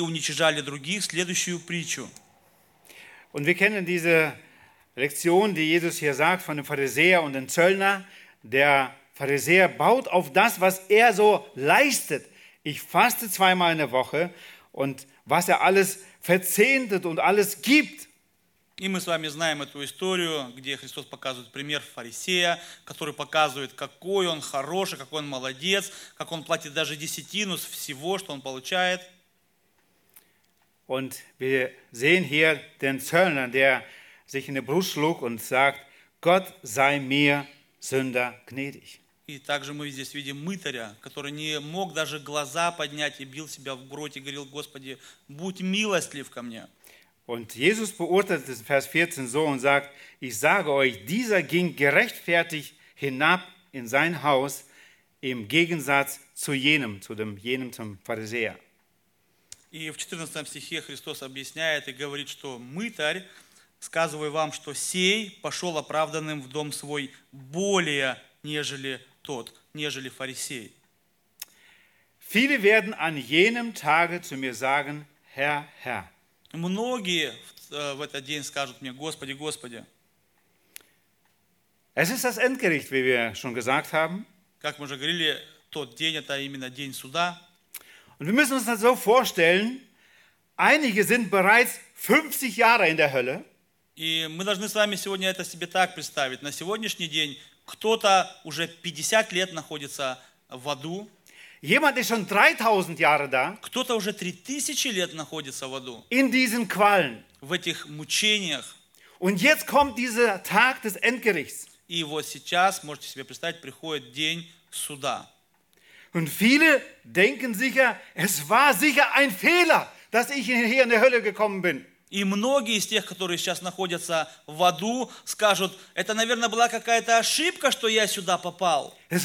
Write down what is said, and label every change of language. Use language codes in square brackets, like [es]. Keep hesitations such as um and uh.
[ru] уничижали других, следующую притчу. [de] Und wir kennen diese Lektion, die Jesus hier sagt von dem Pharisäer und dem Zöllner. Der Pharisäer baut auf das, was er so leistet. Ich faste zweimal in der Woche und was er alles verzehntet und alles gibt. [ru] И мы с вами знаем эту историю, где Христос показывает пример фарисея, который показывает, какой он хороший, какой он молодец, как он платит даже десятину с всего, что он получает. [de] Und wir sehen hier den Zöllner, der sich in die Brust schlug und sagt, Gott sei mir Sünder gnädig. [ru] И также мы здесь видим мытаря, который не мог даже глаза поднять и себя в грудь и говорил, Господи, будь милостлив ко мне. [de] Und Jesus beurteilt es in Vers 14 so und sagt, ich sage euch, dieser ging gerechtfertigt hinab in sein Haus im Gegensatz zu jenem, zu dem jenem zum Pharisäer. [ru] И в 14 стихе Христос объясняет и говорит, что мытарь, сказываю вам, что сей пошел оправданным в дом свой более, нежели тот, нежели фарисей. [de] Viele werden an jenem Tage zu mir sagen, Herr, Herr. [ru] Многие в этот день скажут мне, Господи, Господи. [de] Es ist das Endgericht, wie wir schon gesagt haben. [ru] Как мы уже говорили, тот день это именно день суда. [de] Und wir müssen uns das so vorstellen, einige sind bereits 50 Jahre in der Hölle. [ru] И мы должны с вами сегодня это себе так представить. На сегодняшний день кто-то уже 50 лет находится в аду. [de] Jemand ist schon 3000 Jahre da. [ru] Кто-то уже 3000 лет находится в аду. [de] In diesen Qualen. [ru] В этих мучениях. [de] Und jetzt kommt dieser Tag des Endgerichts. [ru] И вот сейчас, можете себе представить, приходит день суда. [de] Und viele denken sicher, es war sicher ein Fehler, dass ich hier in die Hölle gekommen bin. [ru] И многие из тех, которые сейчас находятся в аду, скажут, это, наверное, была какая-то ошибка, что я сюда попал.